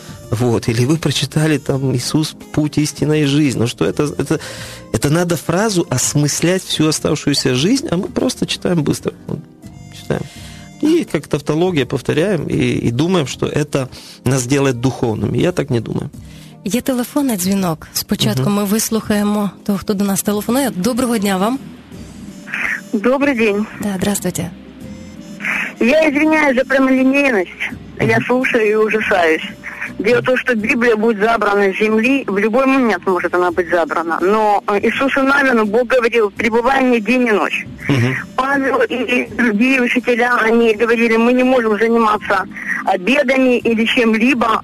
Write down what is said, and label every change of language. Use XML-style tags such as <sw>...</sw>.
<ru>Вот, или вы прочитали там «Иисус, путь, истина и жизнь». Ну что это надо фразу осмыслять всю оставшуюся жизнь, а мы просто читаем быстро. Вот, читаем. И как тавтология повторяем и думаем, что это нас делает духовными. Я так не думаю.</ru> <uk>Є телефонний дзвінок. Спочатку ми вислухаємо того, хто до нас телефонує. Доброго дня вам. Добрий день.</uk> <ru>Да, здравствуйте. Я извиняюсь за прямолинейность. Я слушаю и ужасаюсь. Дело в том, что Библия будет забрана с земли, в любой момент может она быть забрана. Но Иисусу Навину Бог говорил, пребывай мне день и ночь. Павел и другие учителя, они говорили, мы не можем заниматься обедами или чем-либо.</ru>